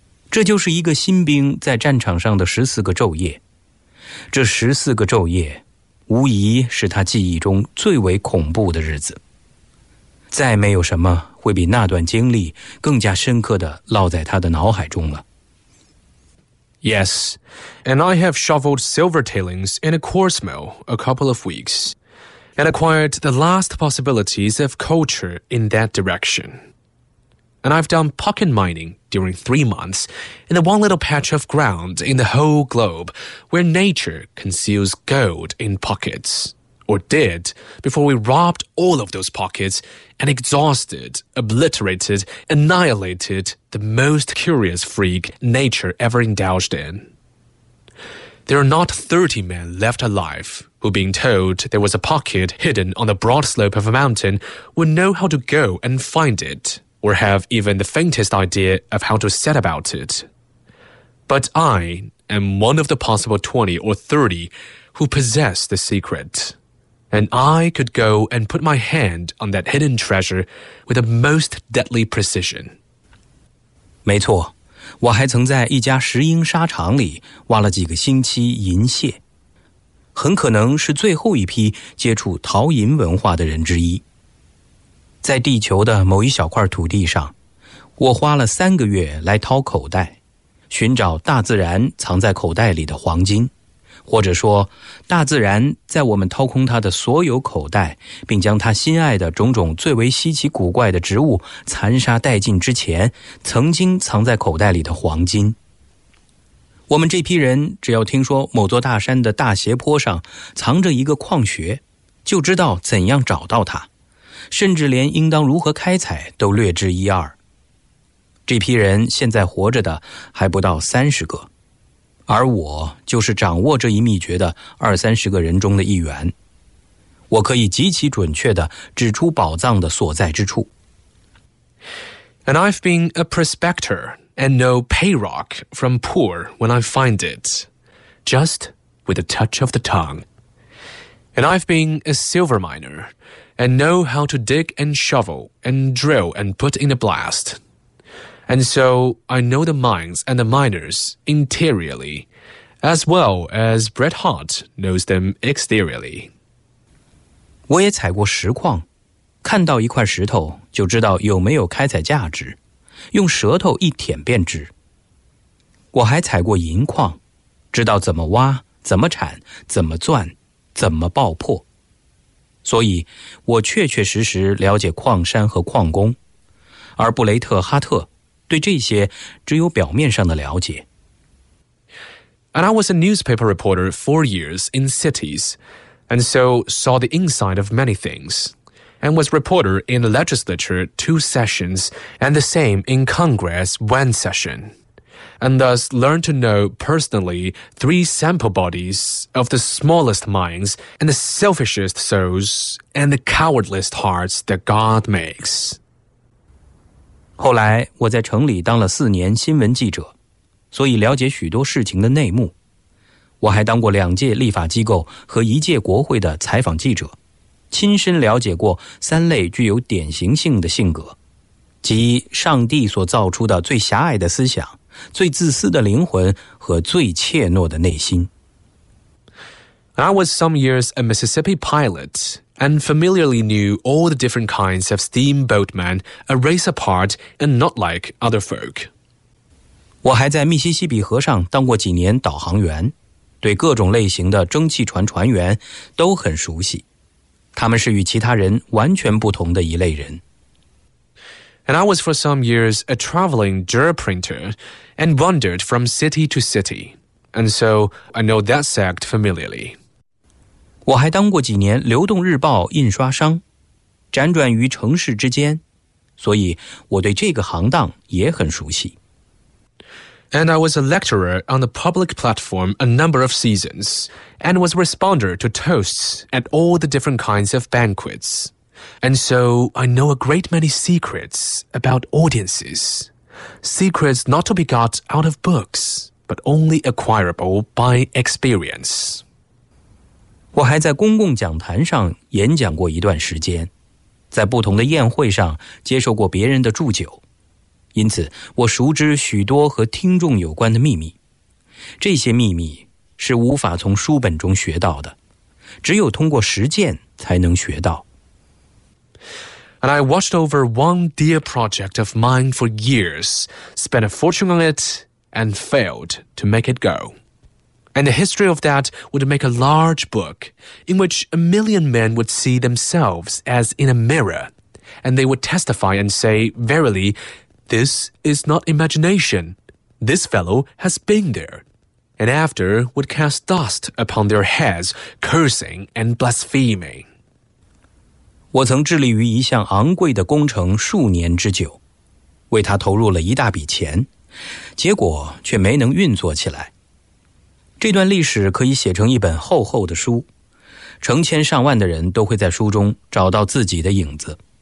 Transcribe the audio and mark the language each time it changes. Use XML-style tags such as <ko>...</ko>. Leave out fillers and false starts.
<zh>这就是一个新兵在战场上的14个昼夜，这14个昼夜无疑是他记忆中最为恐怖的日子。再没有什么会比那段经历更加深刻地烙在他的脑海中了。</zh> <en>Yes, and I have shoveled silver tailings in a coarse mill a couple of weeks, and acquired the last possibilities of culture in that direction. And I've done pocket mining during 3 months in the one little patch of ground in the whole globe where nature conceals gold in pockets. Or did, before we robbed all of those pockets and exhausted, obliterated, annihilated the most curious freak nature ever indulged in. There are not 30 men left alive who, being told there was a pocket hidden on the broad slope of a mountain, would know how to go and find it, or have even the faintest idea of how to set about it. But I am one of the possible 20 or 30 who possess the secret. And I could go and put my hand on that hidden treasure with a most deadly precision.</en> <zh>没错，我还曾在一家石英砂厂里挖了几个星期银屑，很可能是最后一批接触陶银文化的人之一。在地球的某一小块土地上，我花了3个月来掏口袋，寻找大自然藏在口袋里的黄金。或者说，大自然在我们掏空它的所有口袋，并将它心爱的种种最为稀奇古怪的植物残杀殆尽之前，曾经藏在口袋里的黄金。我们这批人只要听说某座大山的大斜坡上藏着一个矿穴，就知道怎样找到它，甚至连应当如何开采都略知一二。这批人现在活着的还不到30个。而我就是掌握这一秘诀的20-30个人中的一员，我可以极其准确地指出宝藏的所在之处。</zh> <en>And I've been a prospector and know Payrock from poor when I find it, just with a touch of the tongue. And I've been a silver miner and know how to dig and shovel and drill and put in a blast. And so I know the mines and the miners interiorly, as well as Bret Hart knows them exteriorly.</en> <zh>我也采过石矿，看到一块石头就知道有没有开采价值，用舌头一舔便知。我还采过银矿，知道怎么挖、怎么铲、怎么钻、怎么爆破。所以，我确确实实了解矿山和矿工，而布雷特·哈特对这些只有表面上的了解。</zh> <en>And I was a newspaper reporter 4 years in cities, and so saw the inside of many things, and was reporter in the legislature 2 sessions, and the same in Congress 1 session, and thus learned to know personally 3 sample bodies of the smallest minds and the selfishest souls and the cowardliest hearts that God makes.</en> <zh>后来我在城里当了4年新闻记者，所以了解许多事情的内幕。我还当过2届立法机构和1届国会的采访记者，亲身了解过3类具有典型性的性格，即上帝所造出的最狭隘的思想、最自私的灵魂和最怯懦的内心。</zh> <en>I was some years a Mississippi pilot and familiarly knew all the different kinds of steamboatmen, a race apart and not like other folk.</en> <zh>我还在密西西比河上当过几年导航员，对各种类型的蒸汽船船员都很熟悉，他们是与其他人完全不同的一类人。</zh> <en>And I was for some years a traveling dirt printer and wandered from city to city, and so I know that sect familiarly.</en> <zh>我还当过几年流动日报印刷商，辗转于城市之间，所以我对这个行当也很熟悉。</zh> <en>And I was a lecturer on the public platform a number of seasons, and was responder to toasts at all the different kinds of banquets. And so I know a great many secrets about audiences. Secrets not to be got out of books, but only acquirable by experience.</en> <zh>我还在公共讲坛上演讲过一段时间，在不同的宴会上接受过别人的祝酒，因此我熟知许多和听众有关的秘密。这些秘密是无法从书本中学到的，只有通过实践才能学到。</zh> <en>And I watched over one dear project of mine for years, spent a fortune on it, and failed to make it go. And the history of that would make a large book, in which a million men would see themselves as in a mirror, and they would testify and say, verily, this is not imagination. This fellow has been there. And after would cast dust upon their heads, cursing and blaspheming.</en> <zh>我曾致力于一项昂贵的工程数年之久，为它投入了一大笔钱，结果却没能运作起来。这段历史可以写成一本厚厚的书，成千上万的人都会在书中找到自己的影子。</zh>